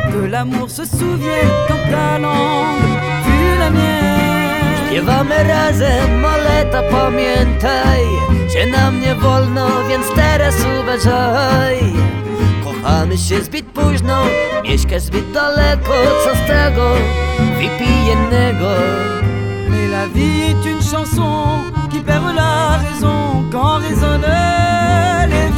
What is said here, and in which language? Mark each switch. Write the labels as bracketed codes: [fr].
[fr] L'amour se souvient quand ta langue fut la mienne. [pl] Śpiewamy razem, ale to pamiętaj, że nam nie wolno, więc teraz uważaj. Kochamy się zbyt późno, mieszka zbyt daleko. Co z tego wypijennego? [fr] Mais la vie est une chanson qui perd la raison quand résonne.